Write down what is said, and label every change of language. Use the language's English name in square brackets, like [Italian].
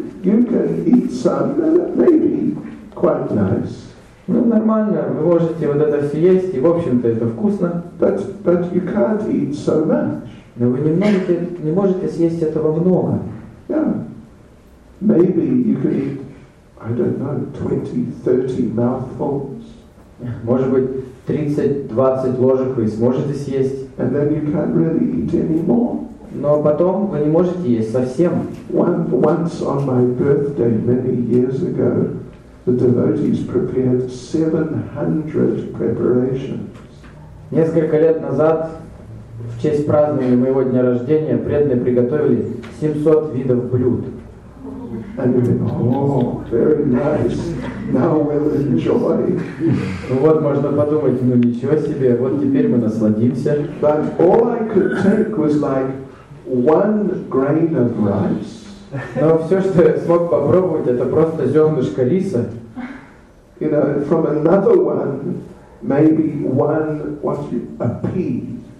[English] You can eat some, and it may be quite nice. [Russian] Ну нормально, вы можете вот это все есть, и в общем-то это вкусно. [English] But you can't eat so much. [Russian] Но вы не можете съесть этого много. [English] Yeah. Maybe you can eat, I don't know, 20-30 mouthfuls. [Russian] Может быть, 30-20 ложек вы сможете съесть. [English] And then you can't really eat any more. [Russian] Но потом вы не можете есть совсем. [English] Once on my birthday many years ago, the devotees prepared 700 preparations. [Russian] Несколько лет назад, в честь празднования моего дня рождения, преданные приготовили 700 видов блюд. [English] And you think, oh, very nice, now we'll enjoy. [Russian] Ну вот, можно подумать, ну ничего себе, вот теперь мы насладимся. [English] But all I could take was like one grain of rice. [Russian] Но все, что я смог попробовать, это просто зернышко риса. [English] You know, from another one, maybe one, what's it, a pea.